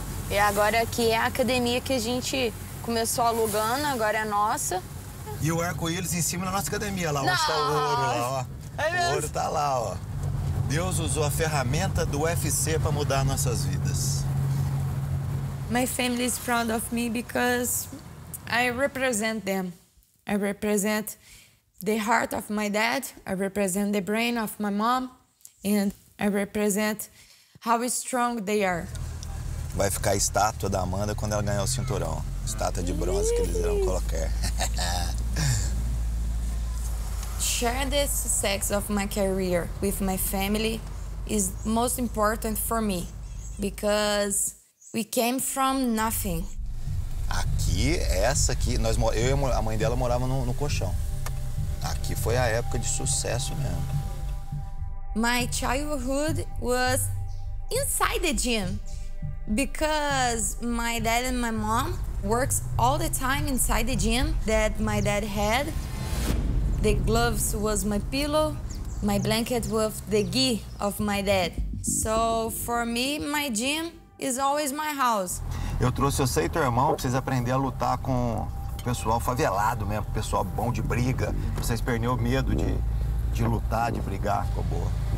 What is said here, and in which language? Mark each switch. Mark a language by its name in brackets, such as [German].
[Portuguese] E agora aqui é a academia que a gente começou alugando, agora é nossa. E o arco-íris em cima da nossa academia, lá onde está o ouro, lá, ó. É mesmo? O ouro tá lá, ó. Deus usou a ferramenta do UFC para mudar nossas vidas. [English] My family is proud of me because I represent them. I represent the heart of my dad, I represent the brain of my mom, and I represent how strong they are. [Portuguese] Vai ficar a estátua da Amanda quando ela ganhar o cinturão. Estátua de bronze que eles irão colocar. [English] Share the success of my career with my family is most important for me because we came from nothing. [Portuguese] Aqui, essa aqui, nós, eu e a mãe dela morava no colchão. Aqui foi a época de sucesso mesmo. [English] My childhood was inside the gym because my dad and my mom works all the time inside the gym that my dad had. The gloves was my pillow, my blanket was the gi of my dad. So for me, my gym is always my house. [Portuguese] Eu trouxe você e teu irmão pra vocês aprender a lutar com o pessoal favelado mesmo, pessoal bom de briga. Vocês perderam o medo de lutar, de brigar, ficou boa.